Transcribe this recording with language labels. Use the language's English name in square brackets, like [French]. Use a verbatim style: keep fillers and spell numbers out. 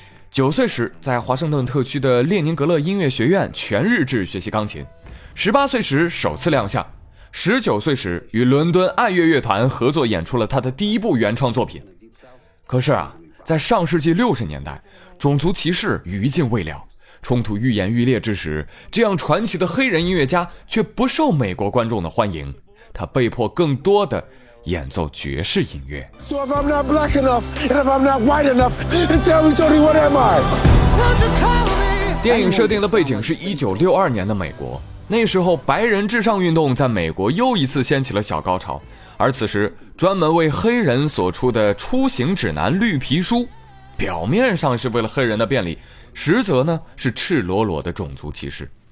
[Chinese] 九岁时在华盛顿特区的列宁格勒音乐学院全日制学习钢琴，十八岁时首次亮相，十九岁时与伦敦爱乐乐团合作演出了他的第一部原创作品。可是啊，在上世纪六十年代，种族歧视余烬未了，冲突愈演愈烈之时，这样传奇的黑人音乐家却不受美国观众的欢迎，他被迫更多的演奏爵士音乐。 [English] So if I'm not black enough, and if I'm not white enough, then tell me, Jody, what am I? Won't you call me? [Chinese] 电影设定的背景是一九六二年的美国，那时候白人至上运动在美国又一次掀起了小高潮，而此时专门为黑人所出的出行指南绿皮书，表面上是为了黑人的便利，实则呢是赤裸裸的种族歧视。